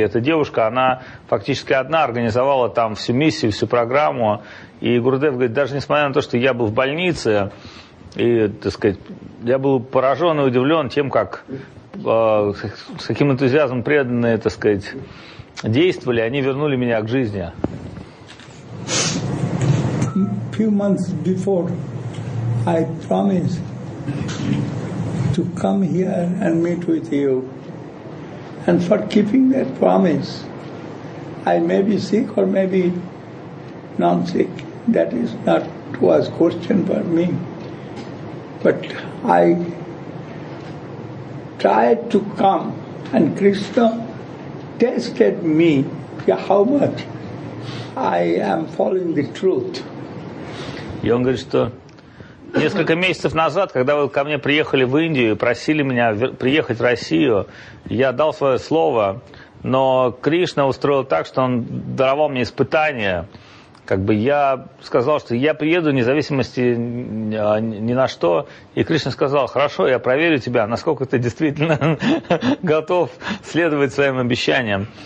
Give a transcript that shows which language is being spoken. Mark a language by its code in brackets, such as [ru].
[ru] Эта девушка, она фактически одна организовала там всю миссию, всю программу. И Гурудев говорит, даже несмотря на то, что я был в больнице, и, так сказать, я был поражен и удивлен тем, как с каким энтузиазмом преданные, так сказать, действовали, они вернули меня к жизни. [en] Few months before I promised to come here and meet with you. And for keeping that promise, I may be sick or maybe non-sick. That is not was question for me. But I tried to come, and Krishna tested me how much I am following the truth. Younger sister. [ru] Несколько месяцев назад, когда вы ко мне приехали в Индию и просили меня приехать в Россию, я дал свое слово, но Кришна устроил так, что он даровал мне испытание. Как бы я сказал, что я приеду вне зависимости ни на что, и Кришна сказал: хорошо, я проверю тебя, насколько ты действительно готов следовать своим обещаниям.